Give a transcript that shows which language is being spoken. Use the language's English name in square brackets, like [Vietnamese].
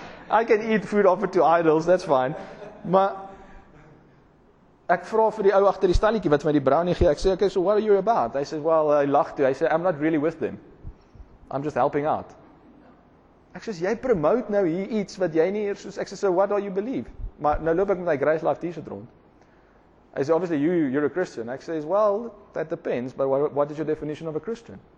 [English] I can eat food offered to idols, that's fine. [Afrikaans] Maar, ek vra vir die ou agter die stalletjie wat my die brownie gee, ek sê, [English] okay, so what are you about? [Afrikaans] Hy sê, [English] well, [Afrikaans] hy lag toe, hy sê, [English] I'm not really with them. I'm just helping out. [Afrikaans] Ek sê, jy promote nou hier iets wat jy nie eers, ek sê, [English] so what do you believe? [Afrikaans] Maar nou loop ek met my Grace Life t-shirt rond. [English] I say, obviously, you're a Christian. I say, well, that depends, but what is your definition of a Christian?